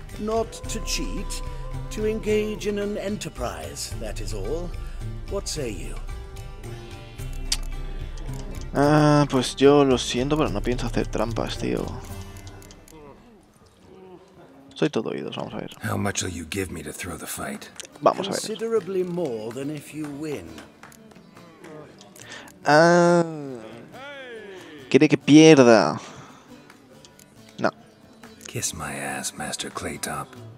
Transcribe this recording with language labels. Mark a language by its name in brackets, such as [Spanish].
[English] Not to cheat, to engage in an enterprise, that is all. What say you? [Spanish] Ah, pues yo lo siento, pero no pienso hacer trampas, tío. Soy todo oídos, vamos a ver. [English] How much will you give me to throw the fight? [Spanish] Vamos a ver. [English] Considerably more than if you win. [Spanish] Ah, quiere que pierda. No. [English] Kiss my ass, Master Claytop.